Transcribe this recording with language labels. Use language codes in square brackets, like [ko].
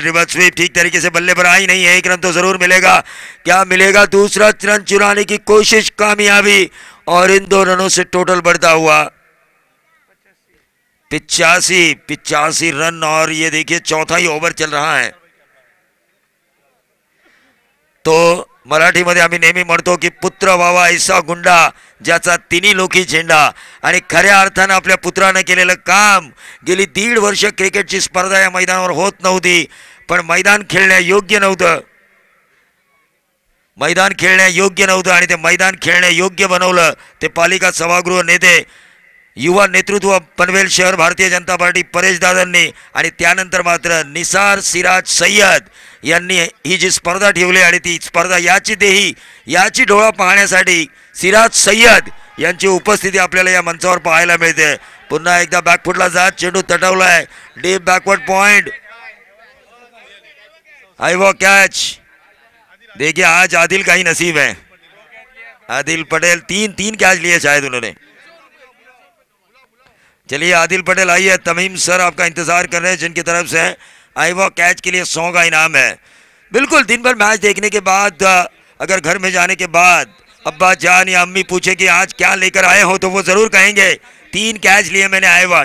[hi] Reverse sweep ठीक तरीके से बल्ले पर आई नहीं है, एक रन तो जरूर मिलेगा, क्या मिलेगा? दूसरा रन चुराने की कोशिश कामयाबी और इन दो रनों से टोटल बढ़ता हुआ 85 रन। और ये देखिए चौथा ही ओवर चल रहा है। [mr] तो मराठी मध्ये आम्ही नेहमी म्हणतो की पुत्र वावा ऐसा गुंडा ज्याचा तिन्ही लोकी झेंडा, आणि खऱ्या अर्थाने आपल्या पुत्राने केलेलं काम, गेली 1.5 वर्ष क्रिकेटची स्पर्धा या मैदानावर होत नव्हती, पण मैदान खेळण्या योग्य नव्हतं, मैदान खेळण्या योग्य नव्हतं आणि ते मैदान खेळण्या योग्य बनवलं ते पालिका सभागृह नेते, युवा नेतृत्व पनवेल शहर भारतीय जनता पार्टी परेश दादांनी, आणि त्यानंतर मात्र निसार सिराज सय्यद यांनी ही जी स्पर्धा ठेवली आणि ती स्पर्धा याची देही याची डोळा पाहण्यासाठी सिराज सय्यद यांची उपस्थिती आपल्याला या मंचावर पाहायला मिळते। पुन्हा एकदा बॅकफुटला जात चेंडू तटवलाय, डीप बॅकवर्ड पॉइंट, आय वो कॅच। [hi] देखिए आज आदिल काही नसीब है, आदिल पटेल 3 कॅच लिए शायद उन्होंने। चलिए आदिल पटेल आइए, तमीम सर आपका इंतजार कर रहे हैं, जिनकी तरफ से आई वो कैच के लिए 100 का इनाम है। बिल्कुल दिन भर मैच देखने के बाद, अगर घर में जाने के बाद अब्बा जान या अम्मी पूछे कि आज क्या लेकर आए हो, तो वो जरूर कहेंगे 3 कैच लिए मैंने आए वो।